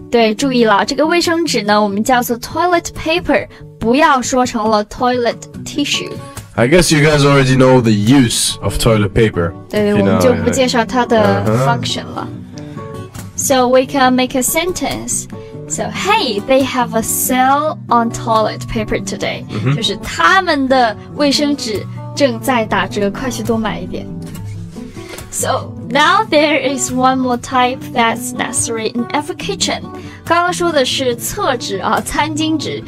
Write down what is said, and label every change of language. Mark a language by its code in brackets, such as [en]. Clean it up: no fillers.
[zh] 对，注意了，这个卫生纸呢，我们叫做 [en] toilet paper, [zh] 不要说成了 [en] toilet tissue. I guess you guys already know the use of toilet paper. [zh] 对，我们就不介绍它的 function 了。 [en] So we can make a sentence. So hey, they have a sale on toilet paper today. [zh] 就是他们的卫生纸正在打折，快去多买一点。 [en] So, now there is one more type that's necessary in every kitchen. [zh] 刚刚说的是厕纸啊，餐巾纸。